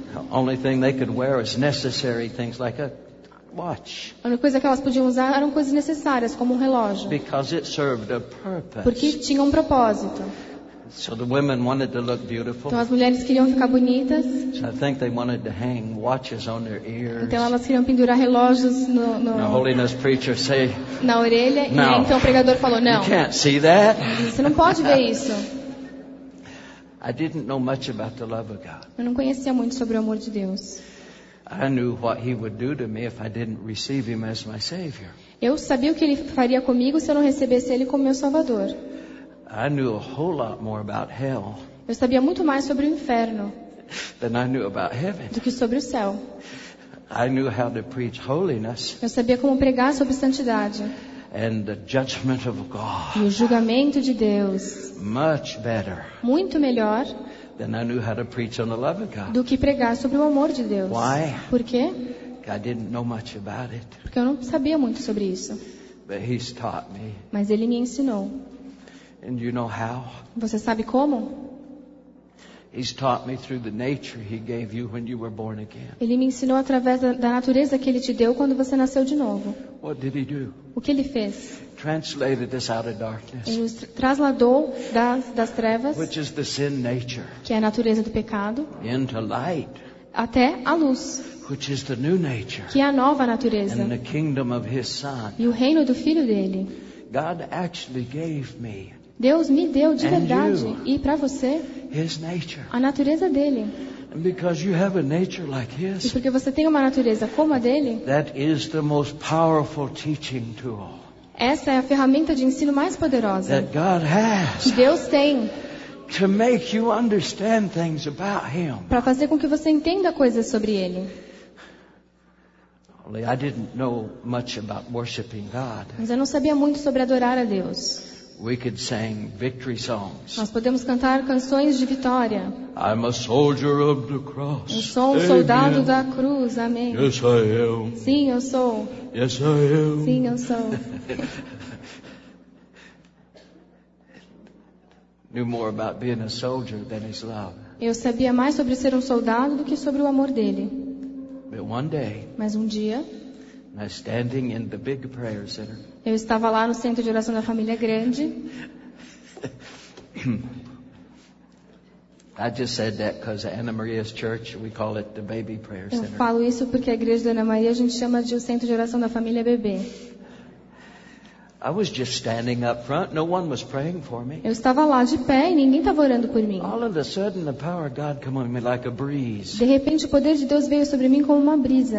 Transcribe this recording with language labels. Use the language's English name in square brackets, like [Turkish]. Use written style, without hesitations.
[English] Only thing they could wear was necessary things like a watch. [Portuguese] A única coisa que elas podiam usar eram coisas necessárias, como um relógio. [English] Because it served a purpose. [Portuguese] Porque tinha um propósito. [English] So the women wanted to look beautiful. [Portuguese] Então as mulheres queriam ficar bonitas. [English] So I think they wanted to hang watches on their ears. [Portuguese] Então elas queriam pendurar relógios [English] no holiness preacher say, [Portuguese] na orelha. E aí, então o pregador falou, não. [English] You can't see that. [Portuguese] Você não pode ver isso. [English] I didn't know much about the love of God. [Portuguese] Eu não conhecia muito sobre o amor de Deus. [English] I knew what he would do to me if I didn't receive him as my savior. [Portuguese] Eu sabia o que ele faria comigo se eu não recebesse ele como meu salvador. [English] I knew a whole lot more about hell. [Portuguese] Eu sabia muito mais sobre o inferno. [English] Than I knew about heaven. [Portuguese] Do que sobre o céu. [English] I knew how to preach holiness. [Portuguese] Eu sabia como pregar sobre santidade. [English] And the judgment of God. [Portuguese] E o julgamento de Deus. [English] Much better. [Portuguese] Muito melhor. [English] Than I knew how to preach on the love of God. [Portuguese] Do que pregar sobre o amor de Deus. [English] Why? [Portuguese] Por quê? [English] I didn't know much about it. [Portuguese] Porque eu não sabia muito sobre isso. [English] But he's taught me. [Portuguese] Mas ele me ensinou. [English] And you know how? [Portuguese] Você sabe como? [English] He's taught me through the nature he gave you when you were born again. [Portuguese] Ele me ensinou através da natureza que ele te deu quando você nasceu de novo. [English] What did he do? [Portuguese] O que ele fez? [English] Translated us out of darkness. [Portuguese] Ele nos trasladou das trevas, [English] which is the sin nature, [Portuguese] que é a natureza do pecado, [English] into light, [Portuguese] até a luz, [English] which is the new nature, [Portuguese] que é a nova natureza, [English] and the kingdom of his son, [Portuguese] e o reino do filho dele. [English] God actually gave me. [Portuguese] Deus me deu de verdade e para você [English] his nature. [Portuguese] A natureza dele. [English] And because you have a nature like his, [Portuguese] e porque você tem uma natureza como a dele, [English] that is the most powerful teaching tool. [Portuguese] Essa é a ferramenta de ensino mais poderosa [English] that God has, [Portuguese] que Deus tem, [English] to make you understand things about him. [Portuguese] Para fazer com que você entenda coisas sobre ele. [English] Only I didn't know much about worshiping God. [Portuguese] Mas eu não sabia muito sobre adorar a Deus. [English] We could sing victory songs. [Portuguese] Nós podemos cantar canções de vitória. [English] I'm a soldier of the cross. [Portuguese] Eu sou um soldado da cruz. Amém. [English] Yes, I am. [Portuguese] Sim, eu sou. [English] Yes, I am. [Portuguese] Sim, eu sou. [English] Knew more about being a soldier than his love. [Portuguese] Eu sabia mais sobre ser um soldado do que sobre o amor dele. [English] But one day. [Portuguese] Mas um dia. [English] I'm standing in the big prayer center. [Portuguese] Eu estava lá no centro de oração da família grande. [English] I just said that because Anna Maria's church, we call it the baby prayer center. [Portuguese] Eu falo isso porque a igreja da Ana Maria a gente chama de o centro de oração da família bebê. [English] I was just standing up front. No one was praying for me. [Portuguese] Eu estava lá de pé e ninguém estava orando por mim. [English] All of a sudden, the power of God came on me like a breeze. [Portuguese] De repente, o poder de Deus veio sobre mim como uma brisa.